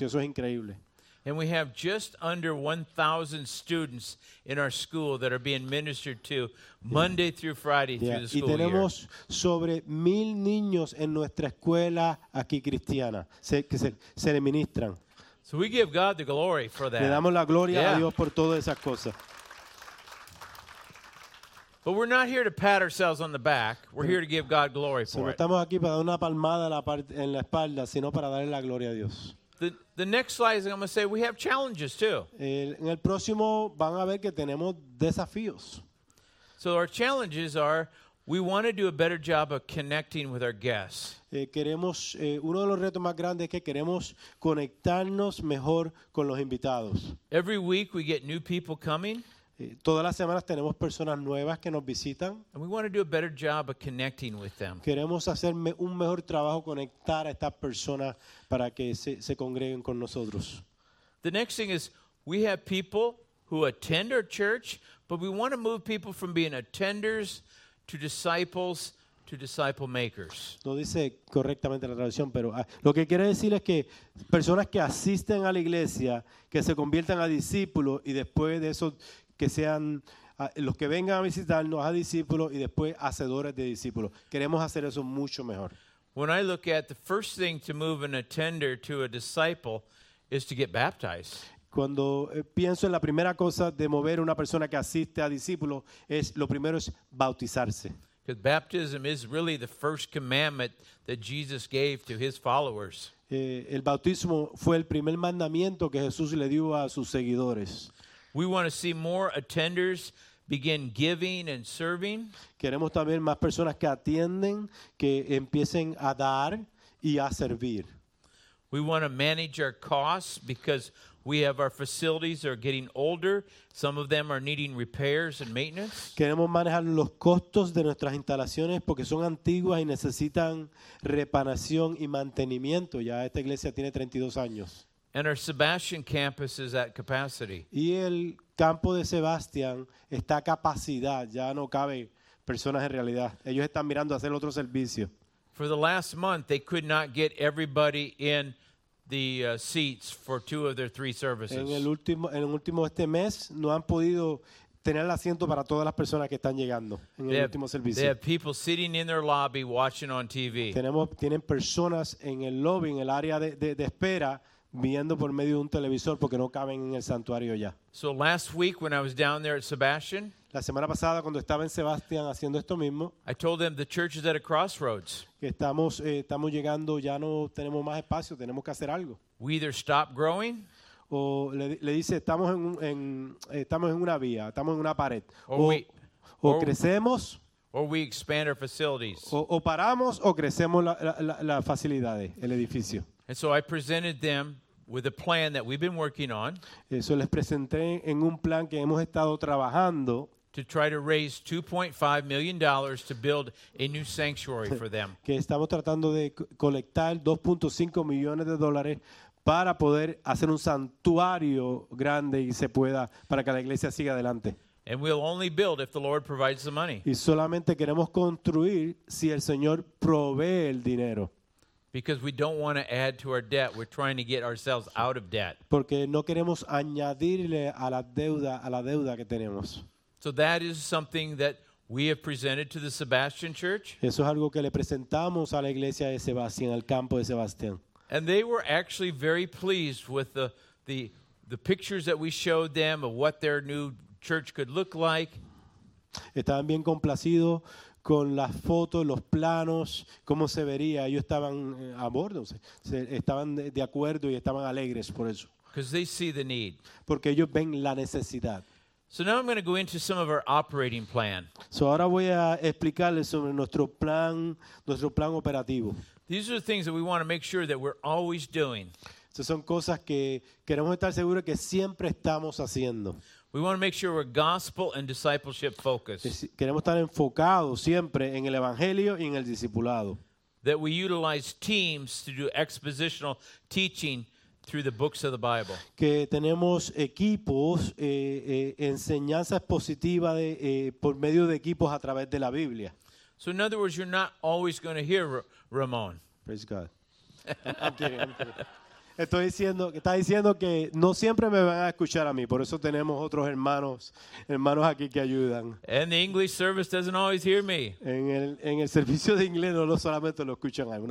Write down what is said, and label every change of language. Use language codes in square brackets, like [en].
[es] Y eso es increíble. [en] And we have just under 1,000 students in our school that are being ministered to Monday through Friday through the school year. [es] Y tenemos sobre 1,000 niños en nuestra escuela aquí cristiana que se le ministran. [en] So we give God the glory for that. [es] Le damos la gloria a Dios por todas esas cosas. [en] But we're not here to pat ourselves on the back. We're here to give God glory for it. [es] No estamos aquí para dar una palmada en la espalda, sino para darle la gloria a Dios. [en] The next slide is I'm going to say we have challenges too. [es] En el próximo van a ver que tenemos desafíos. [en] So our challenges are we want to do a better job of connecting with our guests. [es] Queremos uno de los retos más grandes es que queremos conectarnos mejor con los invitados. [en] Every week we get new people coming. [es] Todas las semanas tenemos personas nuevas que nos visitan. [en] And we want to do a better job of connecting with them. [es] Queremos hacer un mejor trabajo conectar a estas personas para que se congreguen con nosotros. [en] The next thing is we have people who attend our church, but we want to move people from being attenders to disciples to disciple makers. [es] No dice correctamente la traducción, pero lo que quiere decir es que personas que asisten a la iglesia, que se conviertan a discípulos y después de eso que sean los que vengan a visitarnos a discípulos y después hacedores de discípulos. Queremos hacer eso mucho mejor. [en] When I look at the first thing to move an attender to a disciple is to get baptized. [es] Cuando pienso en la primera cosa de mover una persona que asiste a discípulos es lo primero es bautizarse. [en] Because baptism is really the first commandment that Jesus gave to his followers. [es] El bautismo fue el primer mandamiento que Jesús le dio a sus seguidores. [en] We want to see more attenders begin giving and serving. [es] Queremos también más personas que atienden, que empiecen a dar y a servir. [en] We want to manage our costs because we have our facilities are getting older. Some of them are needing repairs and maintenance. [es] Queremos manejar los costos de nuestras instalaciones porque son antiguas y necesitan reparación y mantenimiento. Ya esta iglesia tiene 32 años. [en] And our Sebastian campus is at capacity. [es] Y el campo de Sebastian está a capacidad. Ya no cabe personas en realidad. Ellos están mirando hacer otro servicio. [en] For the last month, they could not get everybody in the seats for two of their three services. [es] En el último este mes no han podido tener el asiento para todas las personas que están llegando en el último servicio. [en] They have people sitting in their lobby watching on TV. [es] Tienen personas en el lobby, en el área de espera, viendo por medio de un televisor porque no caben en el santuario ya. [en] So last week when I was down there at Sebastian, [es] la semana pasada cuando estaba en Sebastian haciendo esto mismo, [en] I told them the church is at a crossroads. [es] Estamos llegando, ya no tenemos más espacio, tenemos que hacer algo. [en] We either stop growing, [es] o le dice estamos en una vía, estamos en una pared, o crecemos, [en] or we expand our facilities. [es] O paramos o crecemos las facilidades, el edificio. [en] And so I presented them with a plan that we've been working on. [es] Eso les presenté en un plan que hemos estado trabajando. [en] To try to raise $2.5 million to build a new sanctuary for them. [es] Que estamos tratando de colectar $2.5 millones para poder hacer un santuario grande y se pueda para que la iglesia siga adelante. [en] And we'll only build if the Lord provides the money. [es] Y solamente queremos construir si el Señor provee el dinero. [en] Because we don't want to add to our debt, we're trying to get ourselves out of debt. [es] Porque no queremos añadirle a la deuda que tenemos. [en] So that is something that we have presented to the Sebastian Church. [es] Eso es algo que le presentamos a la iglesia de Sebastián, al campo de Sebastián. [en] And they were actually very pleased with the pictures that we showed them of what their new church could look like. [es] Estaban bien complacidos con las fotos, los planos, cómo se vería. Ellos estaban a bordo, estaban de acuerdo y estaban alegres por eso. [en] Because they see the need. [es] Porque ellos ven la necesidad. [en] So now I'm going to go into some of our operating plan. [es] So ahora voy a explicarles sobre nuestro plan operativo. [en] These are the things that we want to make sure that we're always doing. [es] Estas son cosas que queremos estar seguros que siempre estamos haciendo. [en] We want to make sure we're gospel and discipleship focused. [es] Queremos estar enfocados siempre en el evangelio y en el discipulado. [en] That we utilize teams to do expositional teaching through the books of the Bible. [es] Que tenemos equipos, enseñanza expositiva por medio de equipos a través de la Biblia. [en] So in other words, you're not always going to hear Ramon. Praise God. I'm kidding. [es] Está diciendo que no siempre me van a escuchar a mí, por eso tenemos otros hermanos aquí que ayudan. [en] And the English service doesn't always hear me. [es] En el servicio de inglés no solamente lo escuchan a mí.